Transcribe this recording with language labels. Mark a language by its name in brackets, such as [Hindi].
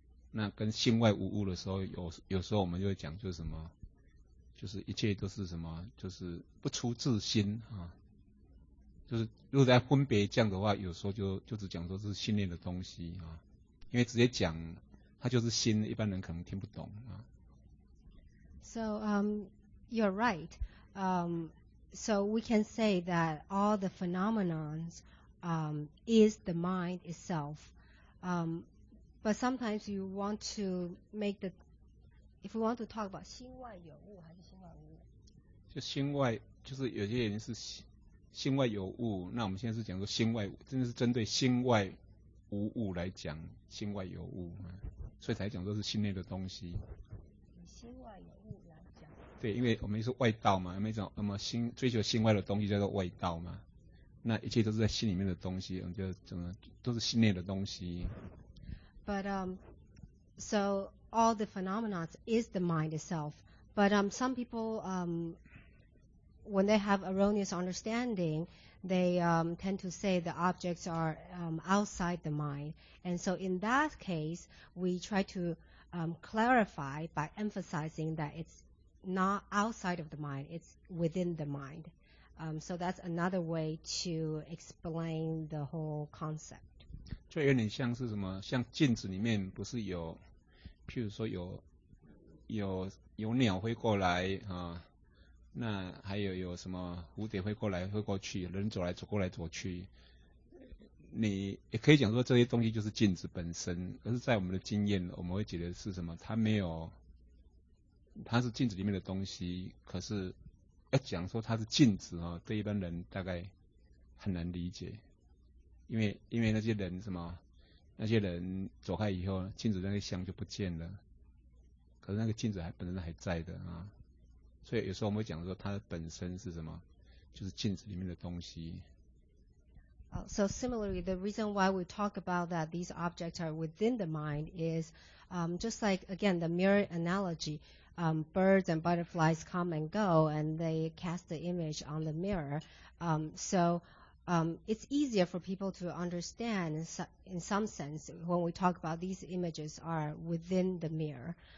[Chinese] 那跟心外无物的时候，有时候我们就会讲，就是什么，就是一切都是什么，就是不出自心啊。就是如果在分别这样的话，有时候就只讲说是心念的东西啊，因为直接讲它就是心，一般人可能听不懂啊。 [English] So you're right. So we can say that all the phenomenons is the mind itself. But sometimes you want to make the, if we want to talk about [Chinese] 心外有物还是心外无物？就心外，就是有些人是心外有物，那我们现在是讲说心外，真的是针对心外无物来讲，心外有物，所以才讲说是心内的东西。心外有物来讲。对，因为我们说外道嘛，追求心外的东西叫做外道嘛，那一切都是在心里面的东西，我们就怎么都是心内的东西。 [English] But so all the phenomena is the mind itself. But some people, when they have erroneous understanding, they tend to say the objects are outside the mind. And so in that case, we try to clarify by emphasizing that it's not outside of the mind, it's within the mind. So that's another way to explain the whole concept. [Chinese] 就有点像是什么，像镜子里面不是有，譬如说有鸟飞过来啊，那还有什么蝴蝶飞过来飞过去，人走来走过来走去，你也可以讲说这些东西就是镜子本身，而是在我们的经验，我们会觉得是什么，它没有，它是镜子里面的东西，可是要讲说它是镜子啊，对一般人大概很难理解。因为那些人什么，那些人走开以后，镜子那个像就不见了，可是那个镜子还本身还在的啊，所以有时候我们会讲说它本身是什么，就是镜子里面的东西。 [English] So similarly, the reason why we talk about that these objects are within the mind is, just like again the mirror analogy, birds and butterflies come and go, and they cast the image on the mirror, so. It's easier for people to understand in some sense when we talk about these images are within the mirror.